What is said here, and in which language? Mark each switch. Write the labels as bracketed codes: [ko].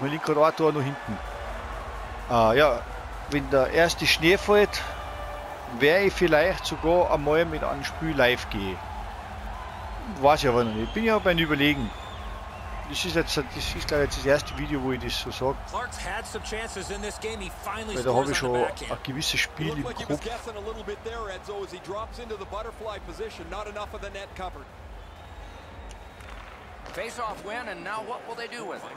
[de] Man liegt gerade ein Tor noch hinten. Ja, wenn der erste Schnee fällt, werde ich vielleicht sogar einmal mit einem Spiel live gehen. Weiß ich aber noch nicht. Bin ja beim Überlegen. Das ist jetzt das erste Video, wo ich das so sage. [en] Clark's had some chances in this game. He finally scores on the backhand. [de] Weil da habe ich schon ein gewisses Spiel im Kopf. [en] Looked like he was guessing a little bit there, Edzo, as he drops into the butterfly position. Not enough of the net covered. Face-off win, and now what will they do with it?